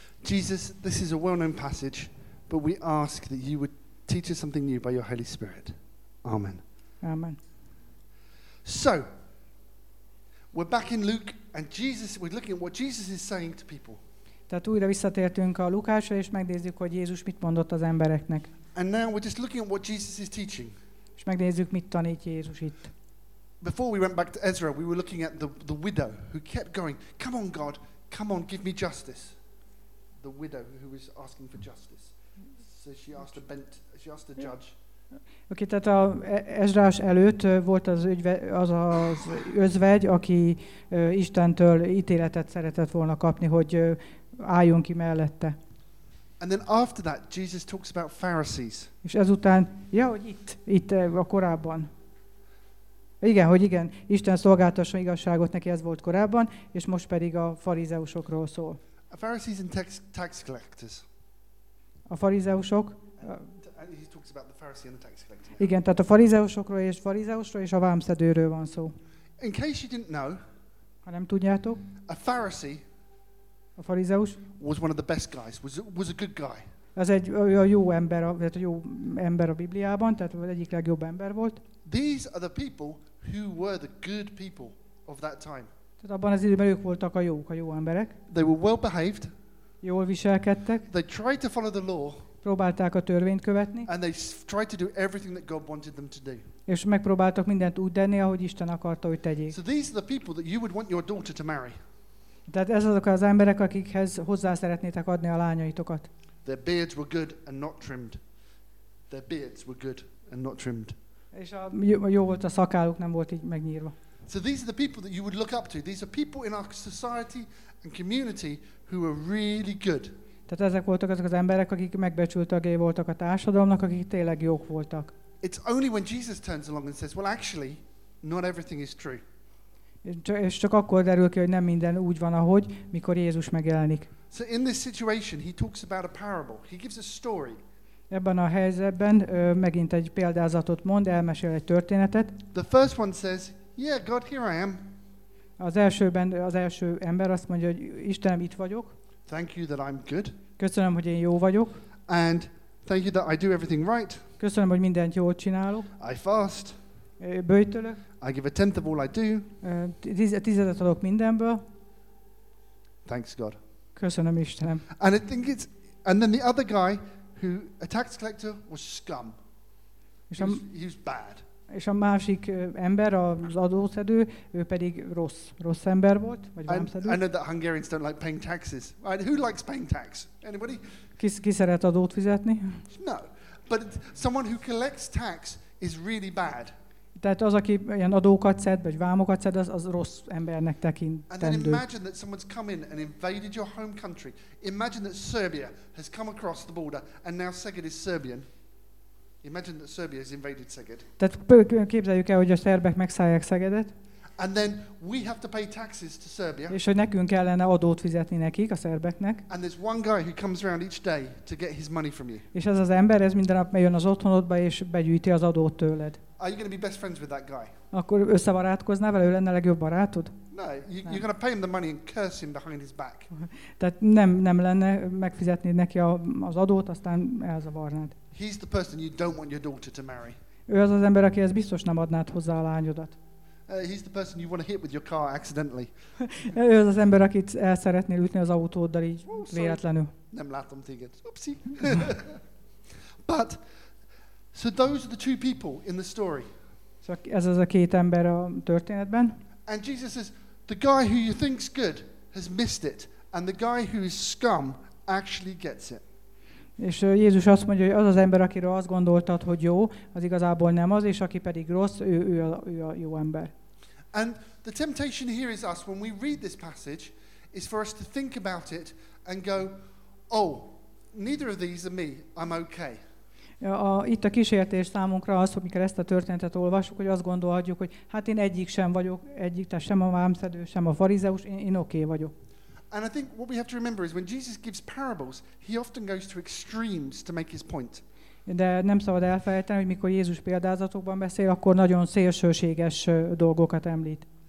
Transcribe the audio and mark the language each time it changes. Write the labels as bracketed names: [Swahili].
[English] Jesus, this is a well-known passage, but we ask that you would teach us something new by your Holy Spirit. Amen. Amen. So, we're back in Luke, and Jesus, we're looking at what Jesus is saying to people. [Hungarian] Tehát újra visszatértünk a Lukásra, és megnézzük, hogy Jézus mit mondott az embereknek. [English] And now we're just looking at what Jesus is teaching. [Hungarian] És megnézzük, mit tanít Jézus itt. [English] Before we went back to Ezra, we were looking at the widow who kept going, come on God, come on, give me justice. The widow who was asking for justice. So she asked a judge. [Hungarian] Okay, tehát a Ezrás előtt volt az özvegy, aki Istentől ítéletet szeretett volna kapni, hogy álljon ki mellette. [English] And then after that, Jesus talks about Pharisees. [Hungarian] És ezután, ja, hogy itt a korábban. Igen, hogy igen, Isten szolgáltasson igazságot neki, ez volt korábban, és most pedig a farizeusokról szól. [English] A Pharisees and tax collectors. [Hungarian] A farizeusok. [English] He talks about the Pharisee and the tax collector. [Hungarian] Igen, tehát a farizeusokról és a vámszedőről van szó. [English] In case you didn't know, [Hungarian] ha nem tudjátok, [English] a farizeus was one of the best guys, was a good guy. [Hungarian] Az egy jó ember a Bibliában, tehát egyik legjobb ember volt. [English] These are the people who were the good people of that time. [Hungarian] Tehát abban az időben ők voltak a jó emberek. [English] They were well behaved. [Hungarian] Jól viselkedtek. [English] They tried to follow the law. [Hungarian] Próbálták a törvényt követni. [English] And they tried to do everything that God wanted them to do. [Hungarian] És megpróbáltak mindent úgy tenni, ahogy Isten akarta, hogy tegyék. [English] So these are the people that you would want your daughter to marry. [Hungarian] Tehát ez azok az emberek, akikhez hozzá szeretnétek adni a lányaitokat. [English] Their beards were good and not trimmed. Their beards were good and not trimmed. [Hungarian] És jó volt a szakáluk, nem volt így megnyírva. [English] So these are the people that you would look up to. These are people in our society and community who are really good. [Hungarian] Tehát ezek voltak azok az emberek, akik megbecsült tagjai voltak a társadalomnak, akik tényleg jók voltak. [English] It's only when Jesus turns along and says, well, actually, not everything is true. [Hungarian] És csak akkor derül ki, hogy nem minden úgy van, ahogy, mikor Jézus megjelenik. [English] So in this situation, he talks about a parable. He gives a story. [Hungarian] Ebben a helyzetben megint egy példázatot mond, elmesél egy történetet. [English] The first one says, yeah, God, here I am. [Hungarian] Az első ember azt mondja, hogy Istenem, itt vagyok. [English] Thank you that I'm good. [Hungarian] Köszönöm, hogy én jó vagyok. [English] And thank you that I do everything right. [Hungarian] Köszönöm, hogy mindent jól csinálok. [English] I fast. [Hungarian] Böjtölök. [English] I give a tenth of all I do. [Hungarian] Tizedet adok mindenből. [English] Thanks God. [Hungarian] Köszönöm, Istenem. [English] And I think it's and then the other guy who a tax collector was scum. He was bad. [Hungarian] És a másik ember, az adószedő, ő pedig rossz ember volt, vagy vámszedő. [English] I know that Hungarians don't like paying taxes. Right? Who likes paying tax? Anybody? [Hungarian] Ki szeret adót fizetni? [English] No. But someone who collects tax is really bad. [Hungarian] Tehát az, aki ilyen adókat szed, vagy vámokat szed, az rossz embernek tekintendő. [English] And then imagine that someone's come in and invaded your home country. Imagine that Serbia has come across the border and now Szeged is Serbian. Imagine that Serbia has invaded Szeged. [Hungarian] Tehát képzeljük el, hogy a szerbek megszállják Szegedet. [English] And then we have to pay taxes to Serbia. [Hungarian] És hogy nekünk kellene adót fizetni nekik, a szerbeknek. [English] And there's one guy who comes around each day to get his money from you. [Hungarian] És ez az ember, ez minden nap megjön az otthonodba és begyűjti az adót tőled. [English] Are you going to be best friends with that guy? [Hungarian] Akkor összebarátkoznál vele, ő lenne a legjobb barátod? [English] No, you're going to pay him the money and curse him behind his back. [Hungarian] Tehát nem lenne megfizetnéd neki az adót, aztán elzavarnád. [English] He's the person you don't want your daughter to marry. [Hungarian] Ő az ember, akihez biztos nem adnád hozzá a lányodat. [English] He's the person you want to hit with your car accidentally. [Hungarian] Ő az ember, akit el szeretnél ütni az autóddal így véletlenül. [English] Sorry. [Hungarian] Nem látom téged. [English] Oopsie. But so those are the two people in the story. [Hungarian] So ez az a két ember a történetben. [English] And Jesus says, the guy who you think's good has missed it, and the guy who is scum actually gets it. [Hungarian] És Jézus azt mondja, hogy az az ember, akiről azt gondoltad, hogy jó, az igazából nem az, és aki pedig rossz, ő a jó ember. [English] And the temptation here is us, when we read this passage, is for us to think about it and go, oh, neither of these are me, I'm okay. [Hungarian] Itt a kísértés számunkra az, hogy mikor ezt a történetet olvassuk, hogy azt gondolhatjuk, hogy hát én egyik sem vagyok, egyik, tehát sem a vámszedő, sem a farizeus, én oké vagyok. [English] And I think what we have to remember is when Jesus gives parables, he often goes to extremes to make his point. [Hungarian] De nem szabad elfelejteni, hogy mikor Jézus példázatokban beszél, akkor nagyon szélsőséges dolgokat említ.